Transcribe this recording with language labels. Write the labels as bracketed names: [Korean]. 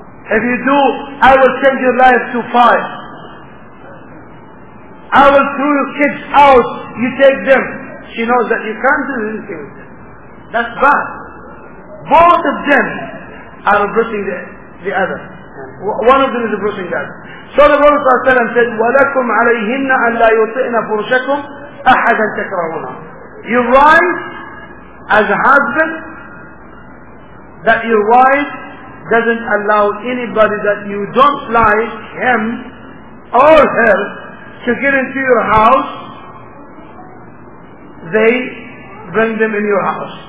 [English] If you do, I will send your life to fire. I will throw your kids out, you take them. She knows that you can't do anything with them. That's bad. Both of them are abusing the other. One of them is abusing the other. So the Prophet Sallallahu Alaihi Wasallam said, [Arabic] وَلَكُمْ عَلَيْهِنَّ أَنْ لَا يُطِئْنَ فُرُشَكُمْ أَحَدًا تَكْرَهُنَا. [English] Your wife, as a husband, that your wife doesn't allow anybody that you don't like, him or her, to get into your house, they bring them in your house.